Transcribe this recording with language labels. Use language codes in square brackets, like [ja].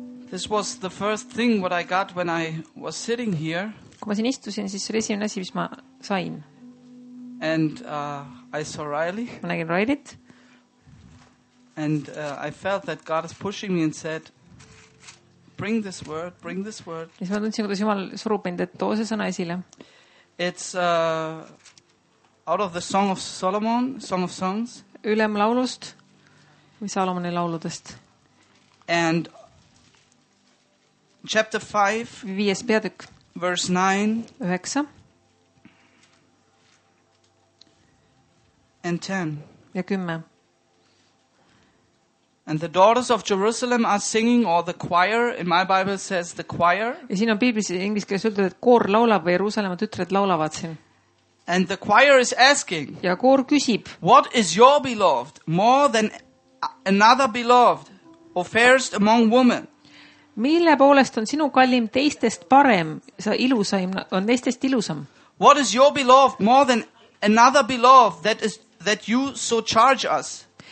[en] This was the first thing what I got when I was sitting here. [et] Kui ma siin istusin, siis see oli esimene asi, mis ma sain. [en] And I saw Riley. [et] Ma nägin Rileyt. [en] And I felt that God is pushing me and said, bring this word, bring this word. [et] Ja siis ma tundsin, kuidas Jumal surub mind, et too see sõna esile. [en] It's out of the Song of Solomon, Song of Songs. [et] Ülem laulust või Salomoni lauludest. [en] And chapter 5. [et] Viies peatükk. [en] Verse 9 9 and [et] 10 ja 10 [en] and the daughters of Jerusalem are singing or the choir in my bible says the choir [et] ja siin on biiblis inglise keeles öeldud et koor laulab või Jerusalema tütred laulavad siin [en] and the choir is asking [et] ja koor küsib [en] what is your beloved more than another beloved or fairest among women [et] Mille poolest on sinu kallim teistest parem, sa ilusaim, on teistest ilusam? [en] What is your beloved more than another beloved that is that you so charge us?